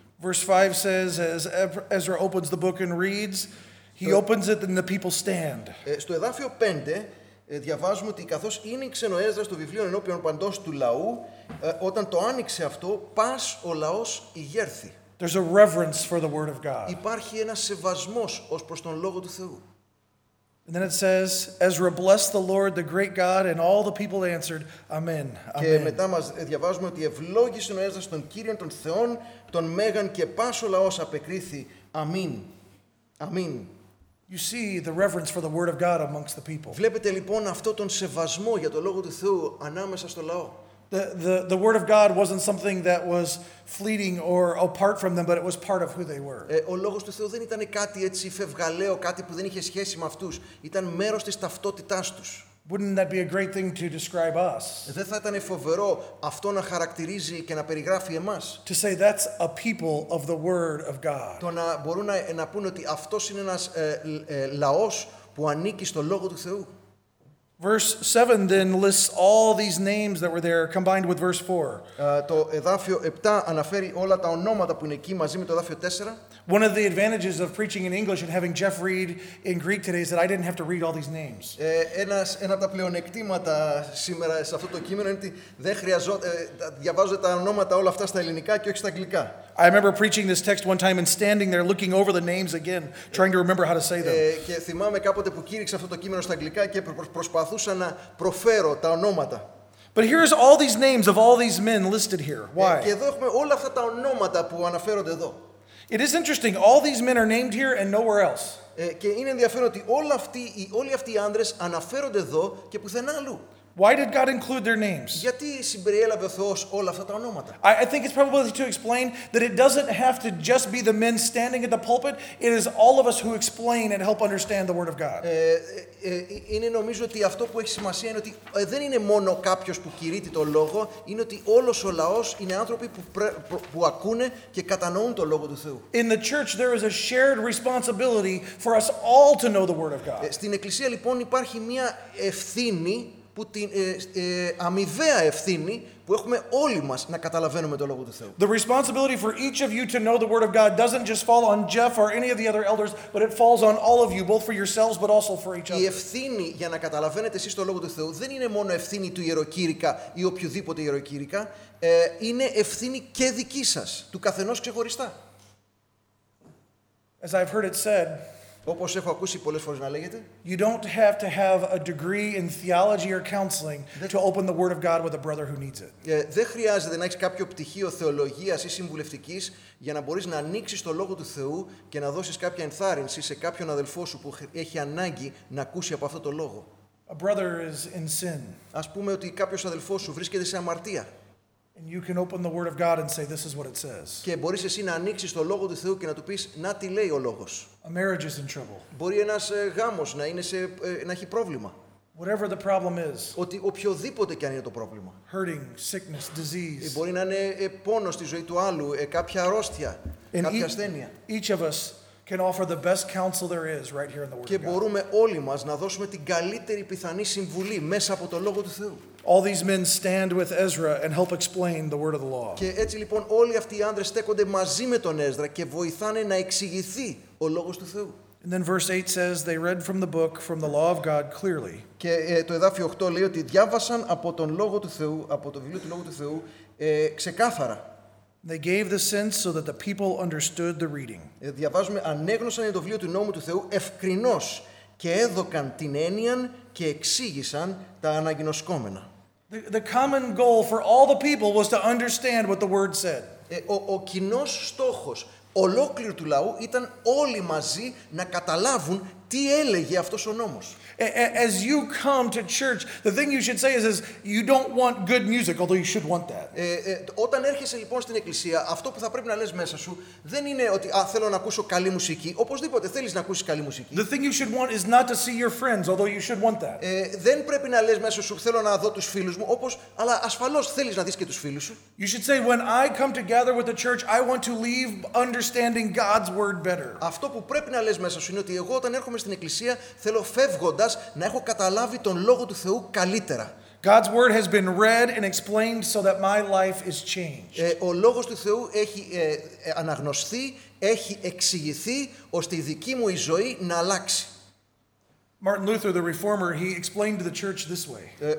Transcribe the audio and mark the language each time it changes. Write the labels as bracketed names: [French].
[English] Verse 5 says, as Ezra opens the book and reads, he opens it and the people stand. [Greek] Στο εδάφιο 5 διαβάζουμε ότι καθώς ήνοιξε ο Έζρας το βιβλίο ενώπιον παντός του λαού, όταν το άνοιξε αυτό, πας ο λαός ηγέρθη. [English] There's a reverence for the word of God. [Greek] Υπάρχει ένας σεβασμός ως προς τον λόγο του Θεού. [English] And then it says, Ezra blessed the Lord, the great God, and all the people answered, Amen. [Greek] Και μετά μας διαβάζουμε ότι ευλόγησε ο Έζρας τον Κύριον των Θεών, τον Μέγαν και πάσο λαός απεκρίθη, Αμήν. Αμήν. [English] You see the reverence for the word of God amongst the people. [Greek] Βλέπετε λοιπόν αυτό τον σεβασμό για το λόγο του Θεού ανάμεσα στο λαό. [English] The word of God wasn't something that was fleeting or apart from them, but it was part of who they were. [Greek] Ο λόγος του Θεού δεν ήταν κάτι έτσι φευγαλαίο, κάτι που δεν είχε σχέση με αυτούς. Ήταν μέρος της ταυτότητάς τους. [English] Wouldn't that be a great thing to describe us? [Greek] Δεν θα ήταν φοβερό αυτό να χαρακτηρίζει και να περιγράφει εμάς? [English] To say that's a people of the word of God. [Greek] Το να μπορούν να πούν ότι αυτός είναι ένας λαός που ανήκει στο λόγο του Θεού. [English] Verse 7 then lists all these names that were there combined with verse 4. [Greek] Το εδάφιο 7 αναφέρει όλα τα ονόματα που είναι εκεί μαζί με το εδάφιο 4. [English] One of the advantages of preaching in English and having Jeff read in Greek today is that I didn't have to read all these names. [Greek] Ένα από τα πλεονεκτήματα σήμερα σε αυτό το κείμενο είναι ότι δεν διαβάζω τα ονόματα όλα αυτά στα ελληνικά και όχι στα αγγλικά. [English] I remember preaching this text one time and standing there looking over the names again, trying to remember how to say them. [Greek] Και θυμάμαι κάποτε που κήρυξα αυτό το κείμενο στα αγγλικά και προσπαθούσα να προφέρω τα ονόματα. [English] But here's all these names of all these men listed here. Why? [Greek] Και εδώ έχουμε όλα αυτά τα ονόματα που αναφέρονται εδώ. [English] It is interesting. All these men are named here and nowhere else. [Greek] Και είναι ενδιαφέρον ότι όλοι αυτοί οι άνδρες αναφέρονται εδώ και πουθενά αλλού. [English] Why did God include their names? [Greek] Γιατί συμπεριέλαβε ο Θεός όλα αυτά τα ονόματα? [English] I think it's probably to explain that it doesn't have to just be the men standing at the pulpit. It is all of us who explain and help understand the Word of God. [Greek] Είναι νομίζω ότι αυτό που έχει σημασία είναι ότι δεν είναι μόνο κάποιος που κηρύττει το λόγο, είναι ότι όλος ο λαός είναι άνθρωποι που ακούνε και κατανοούν το λόγο του Θεού. [English] In the church there is a shared responsibility for us all to know the Word of God. [Greek] Στην εκκλησία λοιπόν υπάρχει μια ευθύνη που την αμοιβαία ευθύνη που έχουμε όλοι μας να καταλαβαίνουμε το λόγο του Θεού. [English] The responsibility for each of you to know the word of God doesn't just fall on Jeff or any of the other elders, but it falls on all of you, both for yourselves but also for each other. [Greek] Η ευθύνη για να καταλαβαίνετε εσείς το λόγο του Θεού δεν είναι μόνο ευθύνη του ιεροκήρυκα ή οποιοδήποτε ιεροκήρυκα, είναι ευθύνη και δική σας, του καθενός ξεχωριστά. [English] As I've heard it said, [Greek] όπως έχω ακούσει πολλές φορές να λέγεται, [English] you don't have to have a degree in theology or counseling to open the word of God with a brother who needs it. [Greek] Δεν χρειάζεται να έχεις κάποιο πτυχίο θεολογίας ή συμβουλευτικής για να μπορείς να ανοίξεις το λόγο του Θεού και να δώσεις κάποια ενθάρρυνση σε κάποιον αδελφό σου που έχει ανάγκη να ακούσει από αυτό το λόγο. [English] A brother is in sin. [Greek] Ας πούμε ότι κάποιος αδελφός σου βρίσκεται σε αμαρτία. [English] And you can open the word of God and say this is what it says. [Greek] Και μπορείς εσύ να ανοίξεις το λόγο του Θεού και να του πεις να τι λέει ο λόγος. [English] A marriage is in trouble. [Greek] Μπορεί ένας γάμος να είναι σε να έχει πρόβλημα. [English] Whatever the problem is. [Greek] Ότι οποιοδήποτε και αν είναι το πρόβλημα. [English] Hurting, sickness, disease. [Greek] Μπορεί να είναι πόνος στη ζωή του άλλου, κάποια αρρώστια, κάποια ασθένεια. [English] Each of us can offer the best counsel there is right here in the word of God. [Greek] Και μπορούμε όλοι μας να δώσουμε την καλύτερη πιθανή συμβουλή μέσα από το λόγο του Θεού. [English] All these men stand with Ezra and help explain the word of the law. [Greek] Και έτσι λοιπόν όλοι αυτοί οι άνδρες στέκονται μαζί με τον Έζρα και βοηθάνε να εξηγηθεί ο λόγος του Θεού. [English] And then verse 8 says they read from the book from the law of God clearly. [Greek] Και το εδάφιο 8 λέει ότι διάβασαν από τον λόγο του Θεού, από το βιβλίο του λόγου του Θεού, ξεκάθαρα. [English] They gave the sense so that the people understood the reading. [Greek] Διαβάζουμε ανέγνωσαν το βιβλίο του νόμου του Θεού ευκρινώς και έδωκαν την έννοια και εξήγησαν τα αναγνωσκόμενα. [English] The common goal for all the people was to understand what the word said. [Greek] Ο κοινός στόχος ολόκληρου του λαού ήταν όλοι μαζί να καταλάβουν τι έλεγε αυτός ο νόμος. [English] As you come to church, the thing you should say is you don't want good music, although you should want that. [Greek] Όταν έρχεσαι λοιπόν στην εκκλησία, αυτό που θα πρέπει να λες μέσα σου δεν είναι ότι θέλω να ακούσω καλή μουσική. Οπωσδήποτε θέλεις να ακούσεις καλή μουσική. [English] The thing you should want is not to see your friends, although you should want that. [Greek] Δεν πρέπει να λες μέσα σου θέλω να δω τους φίλους μου, όπως αλλά ασφαλώς θέλεις να δεις και τους φίλους σου. [English] You should say when I come together with the church, I want to leave understanding God's word better. [Greek] Αυτό που πρέπει να λες μέσα σου είναι ότι εγώ όταν έρχομαι στην εκκλησία θέλω φεύγοντας να έχω καταλάβει τον λόγο του Θεού καλύτερα. [English] God's word has been read and explained so that my life is changed. [Greek] Ο λόγος του Θεού έχει αναγνωστεί, έχει εξηγηθεί ώστε η δική μου η ζωή να αλλάξει. [English] Martin Luther, the reformer, he explained the church this way.